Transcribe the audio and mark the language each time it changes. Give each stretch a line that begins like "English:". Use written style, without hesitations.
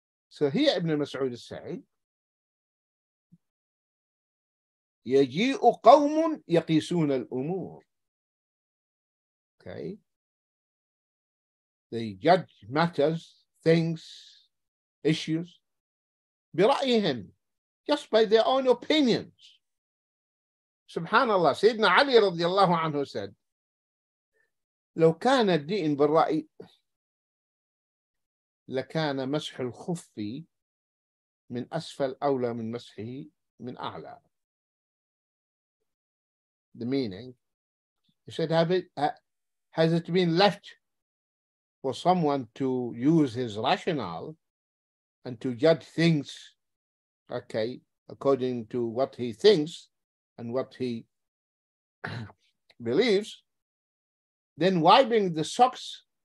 English: So here Ibn Mas'ud is saying,
Arabic: يَجِيءُ قَوْمٌ يَقِيسُونَ الْأُمُورِ.
English: Okay. They judge matters, things, issues, بِرَأِيهِمْ, just by their own opinions.
Arabic: Subhanallah, Sayyidina Ali radiallahu anhu
English: said,
Arabic: لَوْ كَانَ الدِّئِنْ بِالرَّأِي لَكَانَ مَسْحُ الْخُفِّي مِنْ أَسْفَلْ أَوْلَى مِنْ مَسْحِهِ مِنْ أَعْلَى.
English: The meaning, he said, has it been left for someone to use his rationale and to judge things, okay, according to what he thinks and what he believes, then wiping the socks